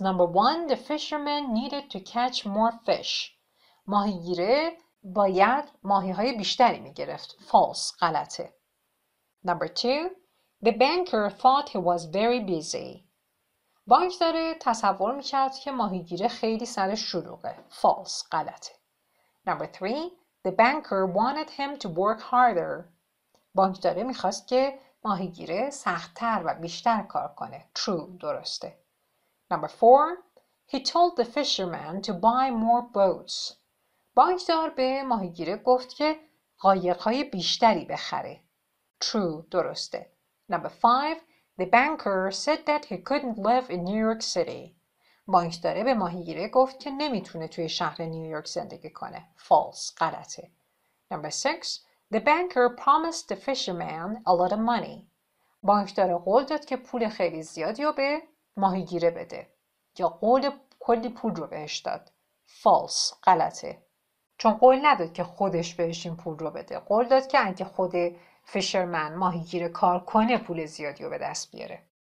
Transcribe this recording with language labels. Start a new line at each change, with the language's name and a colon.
English: Number one, the fisherman needed to catch more fish.
Persian: ماهیگیره باید ماهی‌های بیشتری می‌گرفت.
English: False.
Persian: غلطه.
English: Number two, the banker thought he was very busy.
Persian: بانکداره تصور می‌کرد که ماهیگیره خیلی سر شلوغه.
English: False.
Persian: غلطه.
English: Number three, the banker wanted him to work harder.
Persian: بانکداره می‌خواست که ماهیگیره سخت‌تر و بیشتر کار کنه.
English: True.
Persian: درسته.
English: Number four, he told the fisherman to buy more boats.
Persian: بانکدار به ماهیگیره گفت که قایق‌های بیشتری بخره.
English: True.
Persian: درسته.
English: Number five, the banker said that he couldn't live in New York City.
Persian: بانکدار به ماهیگیره گفت که نمیتونه توی شهر نیویورک زندگی کنه.
English: False.
Persian: غلطه.
English: Number six, the banker promised the fisherman a lot of money.
Persian: بانکدار قول داد که پول خیلی زیادی رو به ماهیگیره بده. یا قول کلی پول رو بهش داد.
English: False.
Persian: غلطه. چون قول نداد که خودش بهش این پول رو بده. قول داد که اگه خود فیشرمن ماهیگیره کار کنه پول زیادی رو به دست بیاره.